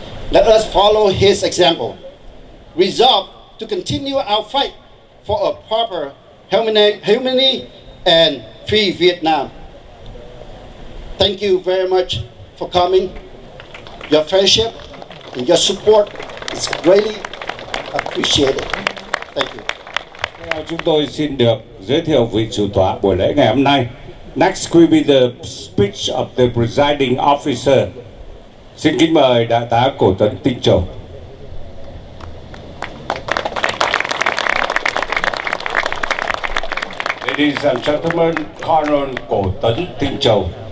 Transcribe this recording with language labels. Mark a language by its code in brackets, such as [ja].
[en] Let us follow his example, resolve to continue our fight for a proper, humane and free Vietnam. Thank you very much for coming. Your friendship and your support is greatly appreciated. Thank you. [vi] Chúng tôi xin được giới thiệu vị chủ tọa buổi lễ ngày hôm nay. [en] Next will be the speech of the presiding officer. [vi] Xin kính mời Đại tá Cổ Tuấn Tinh Châu. [en] Ladies and gentlemen, Colonel Cổ Tuấn Tinh Châu.